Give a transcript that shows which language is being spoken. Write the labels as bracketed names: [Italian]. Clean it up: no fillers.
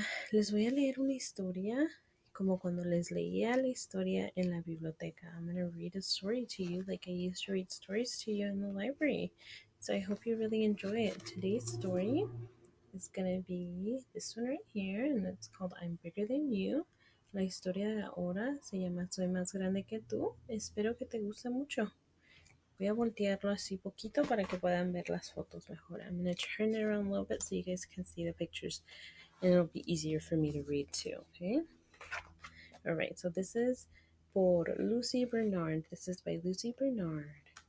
[Spanish] Les voy a leer una historia, como cuando les leía la historia en la biblioteca. [English] I'm gonna read a story to you like I used to read stories to you in the library. So I hope you really enjoy it. Today's story is gonna be this one right here, and it's called I'm Bigger Than You. [Spanish] La historia de ahora se llama Soy Más Grande Que Tú. Espero que te guste mucho. Voy a voltearlo así poquito para que puedan ver las fotos mejor. [English] I'm going to turn it around a little bit so you guys can see the pictures and it'll be easier for me to read too, okay? All right, so this is por Lucy Bernard. This is by Lucy Bernard.